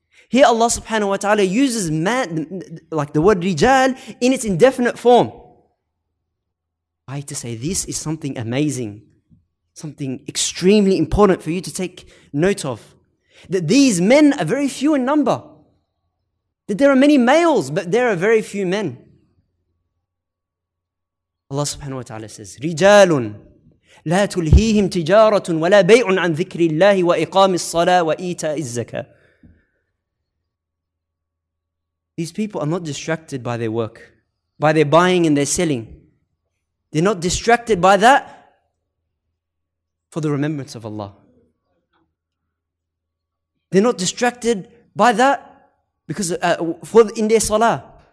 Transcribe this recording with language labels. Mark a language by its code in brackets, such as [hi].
[en] Here Allah subhanahu wa ta'ala uses man, like the word rijal, in its indefinite form. I to say, this is something amazing, something extremely important for you to take note of. That these men are very few in number. That there are many males, but there are very few men. Allah subhanahu wa ta'ala says, [ar] رِجَالٌ لَا تُلْهِيهِمْ تِجَارَةٌ وَلَا بَيْعٌ عَنْ ذِكْرِ اللَّهِ وَإِقَامِ الصَّلَاةِ وَإِيْتَاءِ الزَّكَاةِ. [en] These people are not distracted by their work, by their buying and their selling. They're not distracted by that for the remembrance of Allah. They're not distracted by that because in their salah.